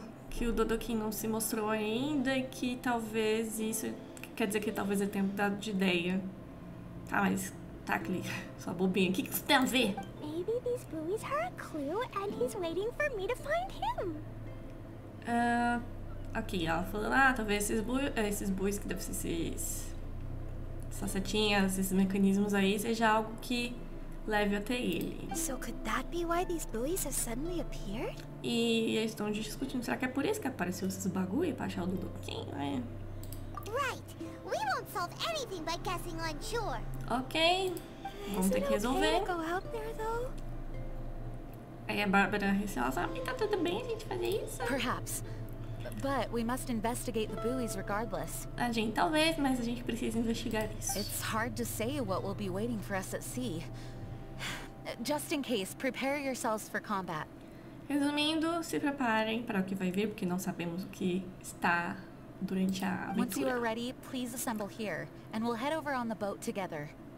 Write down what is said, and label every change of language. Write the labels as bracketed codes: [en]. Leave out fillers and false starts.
[pt] Que o Dodokin não se mostrou ainda e que talvez isso... Quer dizer que talvez ele tenha mudado de ideia. Tá, mas... Tá, Klee, sua bobinha. O que isso tem a ver? [en] Maybe these buoys are a clue and he's waiting for me to find him. [pt] Ok, ela falou, ah, talvez esses buoys que devem ser esses... Essas setinhas, esses mecanismos aí, seja algo que leve até ele. [en] So could that be why these buoys have suddenly appeared? [pt] E eles estão discutindo, será que é por isso que apareceu esses bagulho pra achar o Dodokin, né? [en] Right. We won't solve anything by guessing on shore. [pt] Ok. Vamos ter que resolver. [en] Okay to go out there, though? [pt] Aí a Bárbara receosa, ah, tá tudo bem a gente fazer isso? [en] Perhaps. But we must investigate the buoys regardless. [pt] A gente talvez, mas a gente precisa investigar isso. [en] It's hard to say what will be waiting for us at sea. Just in case, prepare yourselves for combat. [pt] Resumindo, se preparem para o que vai vir, porque não sabemos o que está durante a aventura. [en] Once you are ready, please assemble here, and we'll head over on the boat together.